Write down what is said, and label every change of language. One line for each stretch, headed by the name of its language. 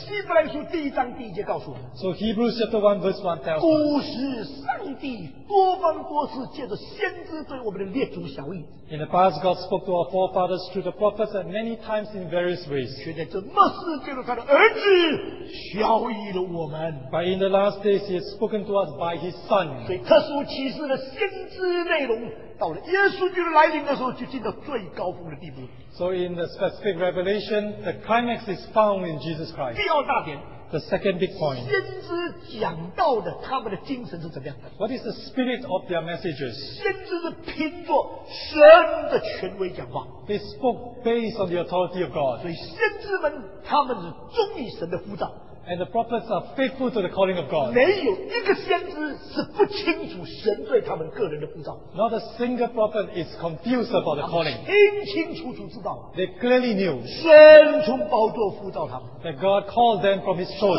Chinese: 希伯来书第一章第一节告诉我们,
English: so Hebrews chapter 1 verse 1 tells us,
Chinese: 古时上帝多方多次借着先知对我们的列祖晓谕,
English: in the past God spoke to our forefathers through the prophets at many times in various ways,
Chinese: 却在这末世借着他的儿子晓谕了我们,
English: but in the last days He has spoken to us by His Son.
Chinese: 所以特殊启示的先知内容, 到了耶稣基督来临的时候就进到最高峰的地步。
English: So in the specific revelation, the climax is found in Jesus Christ.
Chinese: 第二大点,
English: the second big point,
Chinese: 先知讲道的, 他们的精神是怎么样的?
English: What is the spirit of their messages?
Chinese: 先知是凭着神的权威讲话。
English: They spoke based on the authority of God.
Chinese: 所以先知们, 他们是忠于神的呼召。
English: and the prophets are faithful to the calling of God. Not a single prophet is confused about the calling. They clearly knew that God called them from His throne.